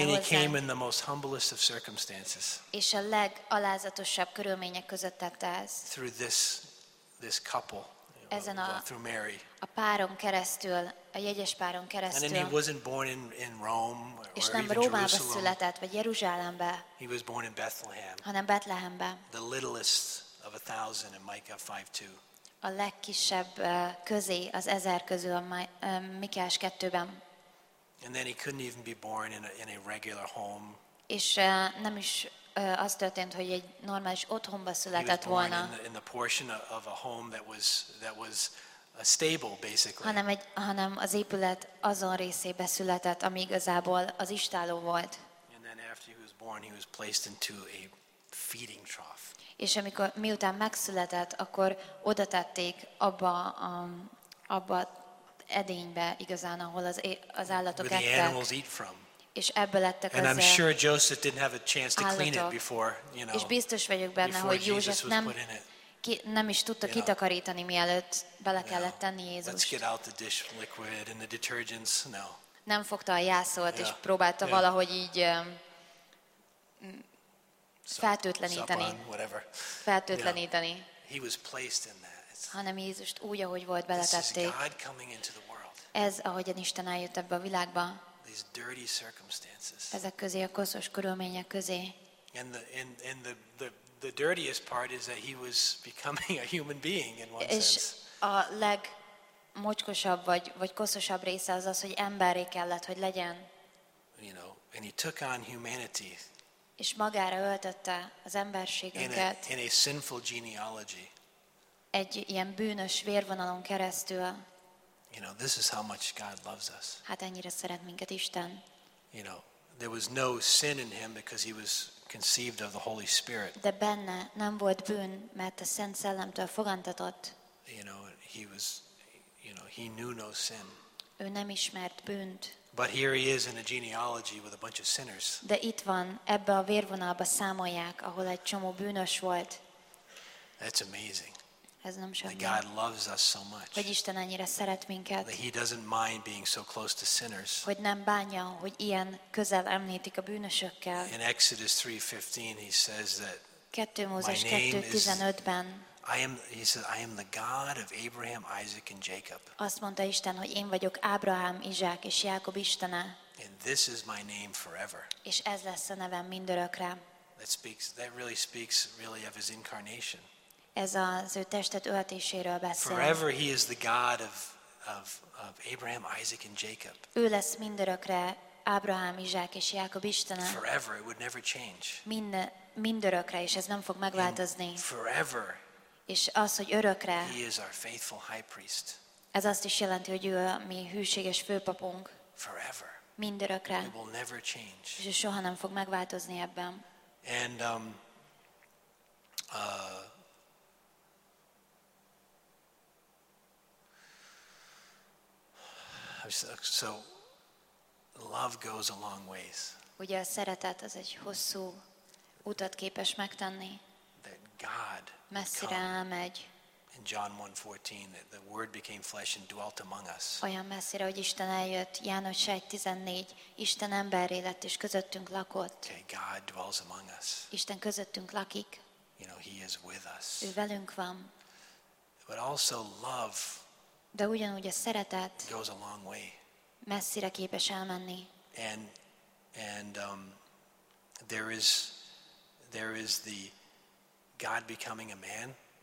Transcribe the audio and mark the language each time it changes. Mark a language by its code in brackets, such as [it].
[en] And he came in the most humblest of circumstances. [hu] És a legalázatosabb körülmények között tette ezt. [en] Through this couple. [hu] Ezen [en] through Mary. [hu] A páron keresztül, a jegyes páron keresztül. [en] And then he wasn't born in Rome or [hu] Jerusalem. És nem Rómában született, vagy Jeruzsálembe. [en] He was born in Bethlehem. [hu] Hanem Betlehembe. [en] The littlest of 1,000 in Micah 5:2. [hu] A legkisebb közé az 1000 közül a Mikás 2-ben. [en] And then he couldn't even be born in a regular home. [hu] És nem is az történt, hogy egy normális otthonba született volna. [en] In the portion of a home that was a stable basically. [hu] Hanem az épület azon részébe született, ami igazából az istálló volt. [en] And then after he was born, he was placed into a feeding trough. [hu] És amikor miután megszületett, akkor oda tették abba edénybe igazán, ahol az állatok ettek. és ebből lettek [en] az. And I'm sure Joseph didn't have a chance to clean it before, you know. [hu] És biztos vagyok benne, hogy József nem nem is tudta kitakarítani, mielőtt bele kellett tenni Jézust. [en] Let's get out the dish liquid and the detergents. No. [hu] Nem fogta a jászolt, és próbálta valahogy így feltőtleníteni. Feltőtleníteni. [en] He was placed in that. [hu] Hanem Jézust úgy, ahogy volt, beletették. [en] This is God coming into the world. [hu] Ez, ahogyan Isten eljött ebbe a világba. [en] These dirty circumstances. [hu] Ezek közé, a koszos körülmények közé. [en] And the dirtiest part is that he was becoming a human being in one sense. [hu] És a legmocskosabb vagy koszosabb része az, hogy emberré kellett, hogy legyen. [en] You know, and he took on humanity. [hu] És magára öltötte az emberségünket. [en] In a sinful genealogy. [hu] Egy ilyen bűnös vérvonalon keresztül. [en] You know, this is how much God loves us. [hu] Hát ennyire szeret minket Isten. [en] You know, there was no sin in him because he was conceived of the Holy Spirit. [hu] De benne nem volt bűn, mert a Szent Szellemtől fogantatott. [en] You know, he was, you know, he knew no sin. [hu] Ő nem ismert bűnt. [en] But here he is in a genealogy with a bunch of sinners. [hu] De itt van, ebbe a vérvonalba számolják, ahol egy csomó bűnös volt. [en] That's amazing. [hu] Ez nem semmi. [en] That God loves us so much. [hu] Hogy Isten ennyire szeret minket. [en] That he doesn't mind being so close to sinners. [hu] Hogy nem bánja, hogy ilyen közel említik a bűnösökkel. [en] In Exodus 3:15 he says that [hu] 2 Mózes 2:15-ben [en] he said I am the God of Abraham, Isaac and Jacob. [hu] Azt mondta Isten, hogy én vagyok Ábrahám, Izsák és Jákob Istene. [en] And this is my name forever. [hu] És ez lesz a nevem mindörökre. [en] That really speaks of his incarnation. [hu] Ez az ő testet öltéséről beszél. [en] Forever he is the God of Abraham, Isaac and Jacob. [hu] Ő lesz mindörökre Ábrahám, Izsák és Jákob Istene. [en] Forever, it would never change. [hu] Mindörökre, és ez nem fog megváltozni. [en] Forever. [hu] És az, hogy örökre. [en] He is our faithful high priest. [hu] Ez azt is jelenti, hogy ő a mi hűséges főpapunk. [en] Forever. [hu] Mindörökre. [en] It will never change. [hu] És soha nem fog megváltozni ebben. [en] And so love goes a long ways. [hu] Ugye a szeretet az egy hosszú utat képes megtenni. [en] That God [hu] messzire elmegy. [en] In John 1:14 that the word became flesh and dwelt among us. [hu] Olyan messzire, hogy Isten eljött. János 1:14 Isten emberré lett és közöttünk lakott. [en] Okay, God dwells among us. [hu] Isten közöttünk lakik. [en] You know, he is with us. [hu] Ő velünk van. [en] But also love. [hu] De ugyanúgy a szeretet [en] goes a long way. [hu] Messzire képes elmenni. [en] And there is the God becoming a man.